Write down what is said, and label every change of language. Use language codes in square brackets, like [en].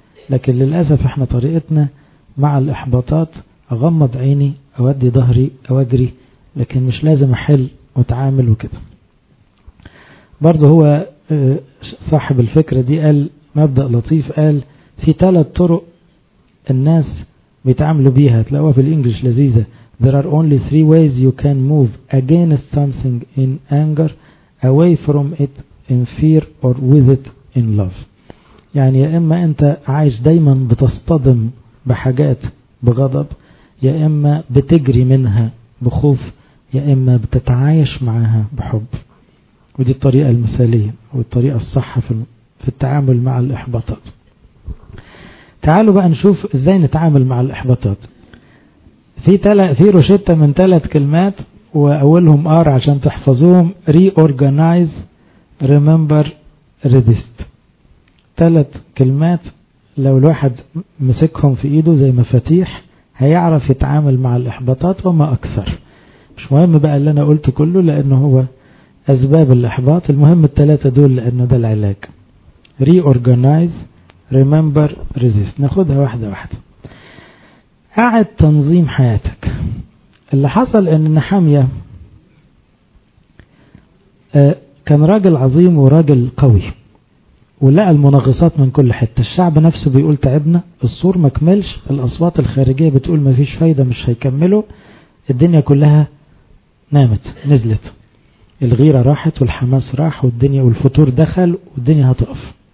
[ar] لكن للأسف إحنا طريقتنا مع الإحباطات أغمض عيني أودي ظهري أجري، لكن مش لازم أحل وتعامل وكده. برضه هو صاحب الفكرة دي قال مبدأ لطيف، قال في 3 طرق الناس بيتعاملوا بيها، تلاقوها في الانجليش لذيذة. [en] There are only 3 ways you can move against something in anger, away from it in fear, or with it in love. [ar] يعني يا إما أنت عايش دايما بتصطدم بحاجات بغضب، يا إما بتجري منها بخوف، يا إما بتتعايش معها بحب. ودي الطريقة المثالية والطريقة الصح في التعامل مع الإحباطات. تعالوا بقى نشوف ازاي نتعامل مع الإحباطات. في روشتة من 3 كلمات، وأولهم R عشان تحفظوهم: [en] Reorganize, Remember, Resist. [ar] 3 كلمات لو الواحد مسكهم في ايده زي مفاتيح هيعرف يتعامل مع الإحباطات وما أكثر. مش مهم بقى اللي أنا قلت كله لأنه هو أسباب الإحباط، المهم 3 دول لأنه ده العلاج. [en] Reorganize, Remember, Resist. [ar] ناخدها واحدة واحدة. أعد تنظيم حياتك. اللي حصل أن حامية كان راجل عظيم وراجل قوي ولقى المناغصات من كل حتة، الشعب نفسه بيقول تعبنا، السور مكملش، الأصوات الخارجية بتقول مفيش فايدة مش هيكملوا، الدنيا كلها نامت نزلت، الغيرة راحت والحماس راح والدنيا والفتور دخل والدنيا هتقف.